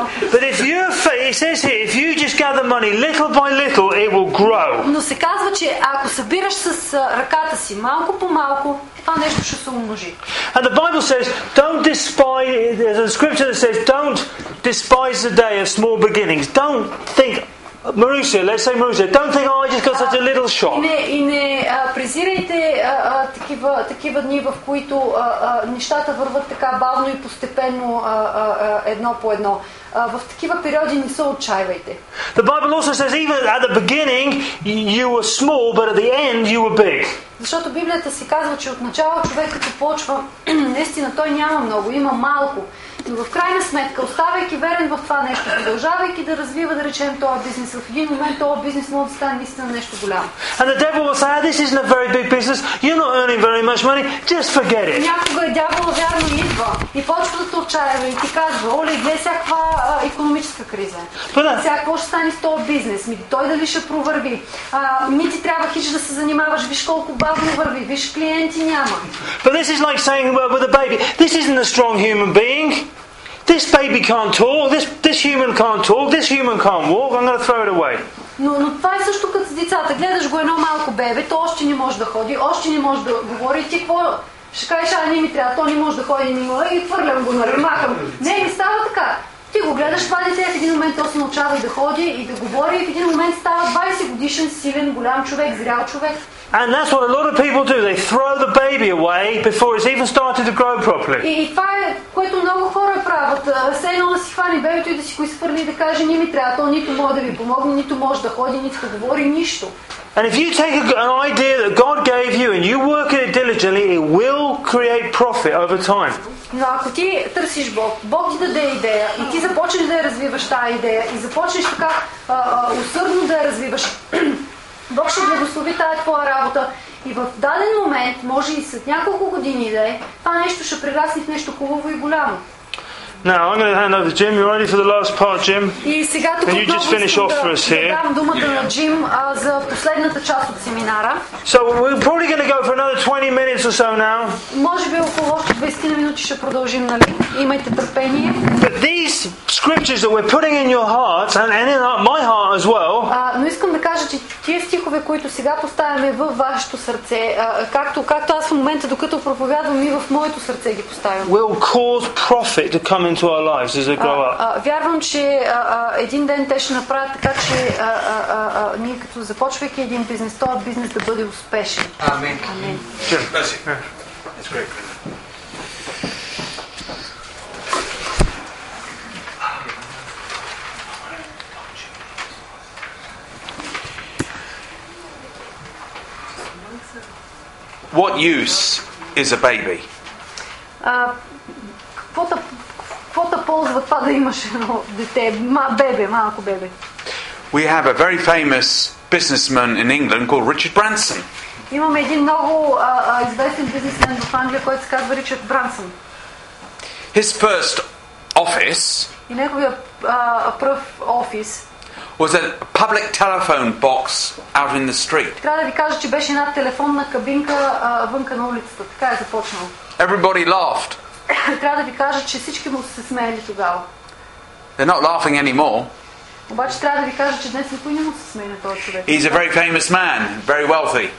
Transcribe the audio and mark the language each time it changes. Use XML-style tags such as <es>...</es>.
<en>But if you just gather money little by little, it will grow.</en> <bg>Но се казва, че ако събираш с ръката си малко по малко, това нещо ще се умножи.</bg> <en>And the Bible says, don't despise, there's a scripture that says, don't despise the day of small beginnings. Don't think, Marusia, let's say Marusia, don't think, oh, I just got such a little shop.</en> <bg>Не презирайте такива дни, в които нещата върват така бавно и постепенно, едно по едно. В такива периоди не се отчаивайте.</bg> <en>The Bible also says even at the beginning you were small, but at the end you were big.</en> <bg>Защото Библията си казва, че отначало човек като почва, наистина той няма много, има малко. Но в крайна сметка, оставайки верен в това нещо, продължавайки да развива, да речем, този бизнес, в един момент този бизнес може да стане наистина нещо голямо.</bg> <en>And the devil will say, this isn't a very big business, you're not earning very much money, just forget it.</en> <bg>Някога дявол вярно идва и почва да те отчаява и ти казва, оле, гледай всякаква икономическа криза. Сега какво ще стане с този бизнес? Ми, той дали ще провърви? Ми ти трябва хич да се занимаваш, виж колко бавно върви, виж клиенти няма.</bg> <en>But this is like saying with a baby, this isn't a strong human being. This baby can't talk, this human can't talk, this human can't walk, I'm going to throw it away.</en> <bg>Но това е също като с децата. Гледаш го едно малко бебе, то още не може да ходи, още не може да говори. Ти какво ще кажеш, не ми трябва, то не може да ходи, не може, и хвърлям го, махам. Не, не става така. Ти го гледаш това дете, в един момент то се научава и да ходи и да говори, и в един момент става 20 годишен, силен, голям човек, зрял човек.</bg> <en>And that's what a lot of people do. They throw the baby away before it's even started to grow properly.</en> <bg>И това е, което много хора правят. Все едно да си хвани бебето и да си го изхвърли и да каже, не ми трябва, то нито може да ви помогне, нито може да ходи, нито да говори, нищо.</bg> <en>And if you take an idea that God gave you and you work at it diligently, it will create profit over time.</en> <bg>Но ако ти търсиш Бог, Бог ти даде идея и ти започнеш да я развиваш тази идея и започнеш така усърдно да я развиваш, Бог ще благослови тази твоя работа и в даден момент, може и след няколко години да е, това нещо ще прерасне в нещо хубаво и голямо.</bg> <en>Now, I'm going to hand over to Jim. You're ready for the last part, Jim?</en> <bg>И сега тук</bg> <en>can you just finish off for us here?</en> <bg>Дам думата на Джим за последната част от семинара.</bg> <en>So we're probably going to go for another 20 minutes or so now.</en> <bg>Може би около 20 минути ще продължим, нали? Имайте търпение.</bg> <en>But these scriptures that we're putting in your hearts and in my heart as well.</en> <bg>Но искам да кажа, че тия стихове, които сега поставяме във вашето сърце, както аз в момента, докато проповядвам, и в моето сърце ги поставям.</bg> <en>Will cause profit to come into our lives as they grow up.</en> <bg>Вярвам, че един ден те ще направят така, че ние като започвайки един бизнес, този бизнес да бъде успешен.</bg> <en>Амин. What use is a baby?</en> <bg>Каквото ползва това да имаш едно дете, бебе, малко бебе.</bg> <en>We have a very famous businessman in England called Richard Branson.</en> <bg>Имаме един много известен бизнесмен в Англия, който се казва Ричард Брансън.</bg> <en>His first office.</en> <bg>И неговия пръв офис.</bg> <en>Was a public telephone box out in the street.</en> <bg>Трябва да ви кажа, че беше една телефонна кабинка вънка на улицата. Така е започнал.</bg> <en>Everybody laughed.</en> <bg>Трябва да ви кажа, че всички му се смеели тогава.</bg> <en>They're not laughing anymore. He's a very famous man, very wealthy.</en>